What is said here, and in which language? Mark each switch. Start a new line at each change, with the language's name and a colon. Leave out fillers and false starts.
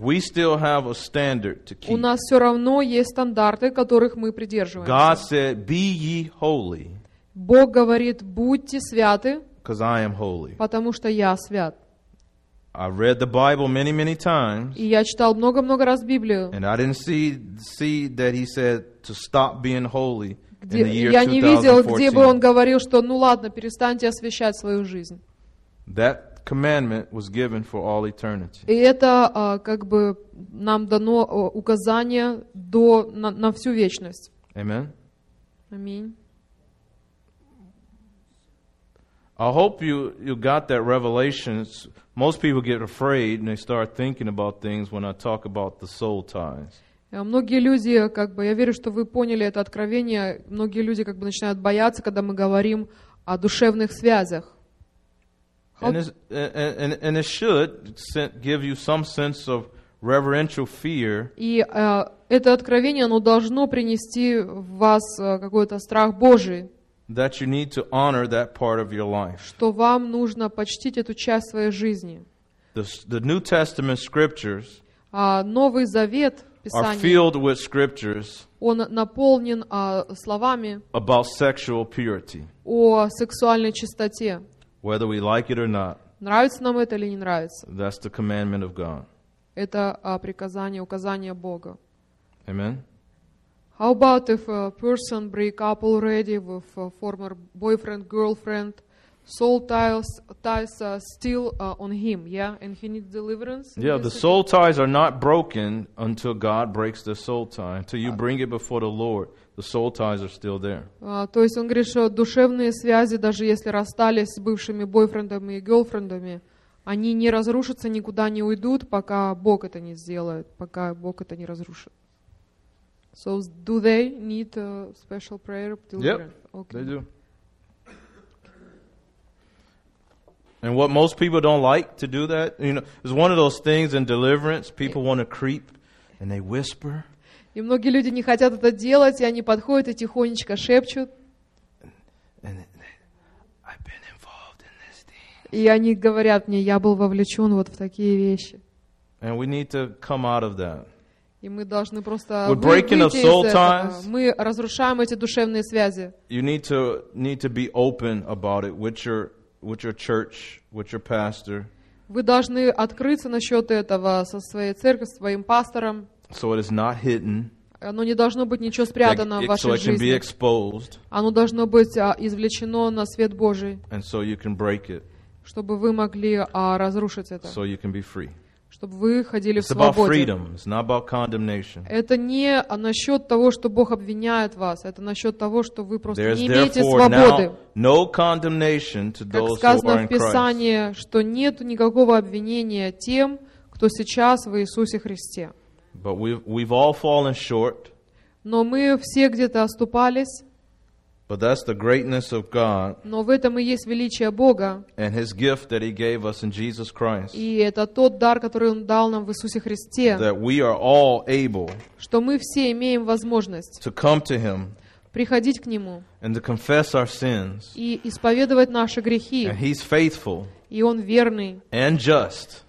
English: We still have a standard to keep.
Russian: У нас все равно есть стандарты, которых мы придерживаемся.
English: God said, "Be ye holy."
Russian: Бог говорит, будьте святы.
English: Because I am holy.
Russian: Потому что я свят.
English: I read the Bible many, many times.
Russian: И я читал много-много раз Библию.
English: And I didn't see that he said to stop being holy in the year 2014.
Russian: Я не видел, где бы он говорил, что ну ладно, перестаньте освящать свою жизнь.
English: That commandment was given for all eternity.
Russian: И это как бы нам дано указание до на всю вечность.
English: Amen.
Russian: Аминь.
English: I hope you got that revelation. Most people get afraid and they start thinking about things when I talk about the soul ties.
Russian: Многие люди, как бы, я верю, что вы поняли это откровение. Многие люди как бы начинают бояться, когда мы говорим о душевных связях.
English: And it should give you some sense of reverential fear.
Russian: И это откровение, оно должно принести в вас какой-то страх Божий.
English: That you need to honor that part of your life.
Russian: Что вам нужно почтить эту часть своей жизни.
English: The New Testament scriptures.
Russian: Новый Завет Писания.
English: Are filled with scriptures.
Russian: Он наполнен словами.
English: About sexual purity.
Russian: О сексуальной чистоте.
English: Whether we like it or not,
Russian: нравится нам это или не нравится,
English: that's the commandment of God.
Russian: Это приказание, указание Бога.
English: Amen. How about if a person break up already with a former boyfriend, girlfriend, soul ties still on him, yeah, and he needs deliverance? Yeah, the soul ties are not broken until God breaks the soul tie. Until you bring it before the Lord, the soul ties are still there.
Russian: То есть он говорит, что душевные связи, даже если расстались с бывшими бойфрендами и гёрлфрендами, они не разрушатся, никуда не уйдут, пока Бог это не сделает, пока Бог это не разрушит.
English: So do they need a special prayer of deliverance? Yep, okay. And what most people don't like to do that, you know, it's one of those things in deliverance, people want to creep and they whisper.
Russian: И многие люди не хотят это делать, и они подходят и тихонечко шепчут.
English: I've been involved in this thing.
Russian: И они говорят мне, я был вовлечен вот в такие вещи.
English: And we need to come out of that.
Russian: И мы должны просто выйти из этого.
English: Ties,
Russian: мы разрушаем эти душевные связи.
English: You need to be open about it with your church, with your pastor.
Russian: Вы должны открыться насчет этого со своей церковью, своим пастором.
English: So it is not hidden.
Russian: Оно не должно быть ничего спрятано в вашей жизни.
English: So it can be exposed.
Russian: Оно должно быть извлечено на свет Божий.
English: And so you can break it.
Russian: Чтобы вы могли разрушить это.
English: So you can be free.
Russian: Чтобы вы ходили
English: It's
Russian: в свободе.
English: About freedom. It's not about condemnation.
Russian: Это не насчет того, что Бог обвиняет вас. Это насчет того, что вы просто
English: There's
Russian: не имеете свободы.
English: Now no condemnation to those
Russian: как сказано
English: who are
Russian: в Писании, что нет никакого обвинения тем, кто сейчас в Иисусе Христе.
English: But we've all fallen short.
Russian: Но мы все где-то оступались.
English: But that's the greatness of God.
Russian: Но в этом и есть величие Бога.
English: And His gift that He gave us in Jesus Christ.
Russian: И это тот дар, который Он дал нам в Иисусе Христе.
English: That we are all able.
Russian: Что мы все имеем возможность.
English: To come to Him.
Russian: Приходить к Нему.
English: And to confess our sins.
Russian: И исповедовать наши грехи.
English: And He's faithful.
Russian: И Он верный.
English: And just.